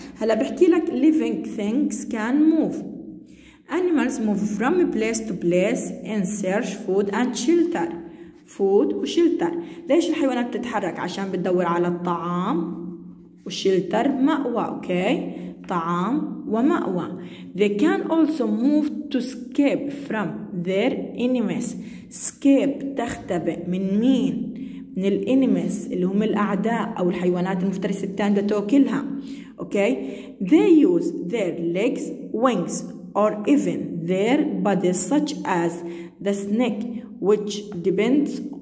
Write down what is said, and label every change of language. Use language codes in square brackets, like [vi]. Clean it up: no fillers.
[ar] هلا بحكي لك [en] living things can move. animals move from place to place in search food and shelter. food وشيلتر. [ar] ليش الحيوانات بتتحرك؟ عشان بتدور على الطعام وشيلتر مأوى. okay, طعام ومأوى. [en] They can also move to escape from their enemies. [ar] escape تختبئ من مين؟ من الانيمس اللي هم الأعداء أو الحيوانات المفترسة التانية تأكلها. [en] okay, they use their legs, wings or even their bodies such as the snake which depends